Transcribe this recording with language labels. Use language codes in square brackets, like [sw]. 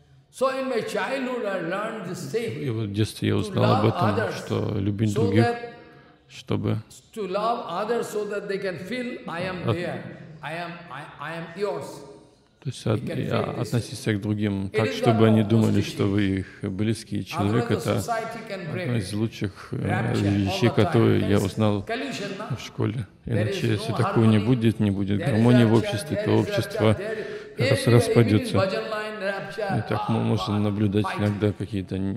[en] So in my childhood I learned this thing. [ru] И вот в детстве я узнал об этом, что любить других, чтобы [en] to love others so that they can feel I am there, I am yours. [ru] То есть относиться к другим так, чтобы они думали, что вы их близкий человек, это одно из лучших вещей, которые я узнал в школе. Иначе, если такого не будет, не будет гармонии в обществе, то общество распадется. И так мы можем наблюдать иногда какие-то